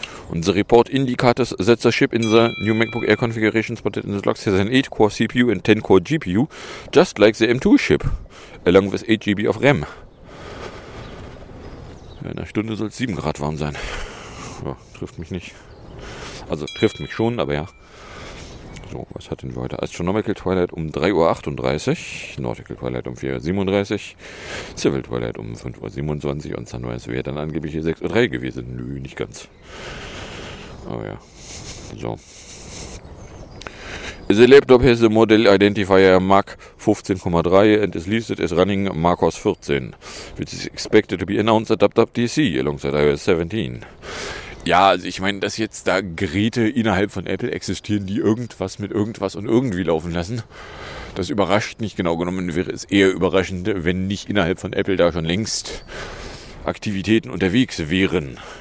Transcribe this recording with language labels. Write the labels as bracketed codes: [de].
[de] Und [en] the report indicates that the chip in the new MacBook Air configuration spotted in the logs has an 8-core CPU and 10-core GPU, just like the M2 chip, along with 8GB of RAM. [de] In einer Stunde soll es 7 Grad warm sein. Ja, trifft mich nicht. Also, trifft mich schon, aber ja. So, was hatten wir heute? Astronomical Twilight um 3.38 Uhr, Nautical Twilight um 4.37 Uhr, Civil Twilight um 5.27 Uhr und Sunrise wäre dann angeblich 6.03 Uhr gewesen. Nö, nicht ganz. Aber ja. So. [en] The laptop has a model identifier MAC 15,3 and is listed as running MacOS 14, which is expected to be announced at WWDC alongside iOS 17. [de] Ja, also ich meine, dass jetzt da Geräte innerhalb von Apple existieren, die irgendwas mit irgendwas und irgendwie laufen lassen, das überrascht nicht. Genau genommen wäre es eher überraschend, wenn nicht innerhalb von Apple da schon längst Aktivitäten unterwegs wären.